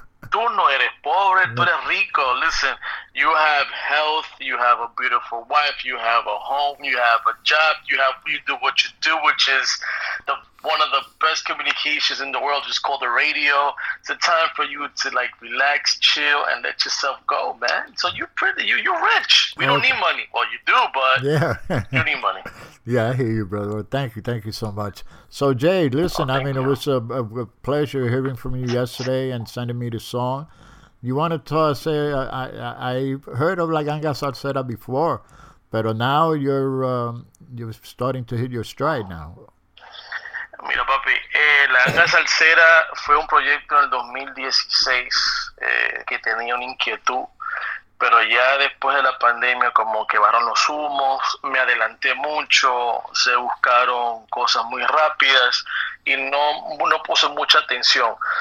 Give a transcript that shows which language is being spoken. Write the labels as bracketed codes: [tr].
[es] Tú no eres pobre, no. Tú eres rico. [en] Listen, you have health, you have a beautiful wife, you have a home, you have a job, you do what you do, which is the one of the best communications in the world, just called the radio. It's a time for you to, like, relax, chill, and let yourself go, man. So you're pretty. You're rich. We don't need money. Well, you do, but yeah. You need money. Yeah, I hear you, brother. Thank you. Thank you so much. So, Jay, listen, it was a pleasure hearing from you yesterday and sending me the song. You want to say, I heard of La Ganga Salsera before, but now you're starting to hit your stride now. [es] Mira, papi, La Ganga Salsera fue un proyecto en el 2016 que tenía una inquietud. Pero ya después de la pandemia como que bajaron los humos, me adelanté mucho, se buscaron cosas muy rápidas y no puse mucha atención.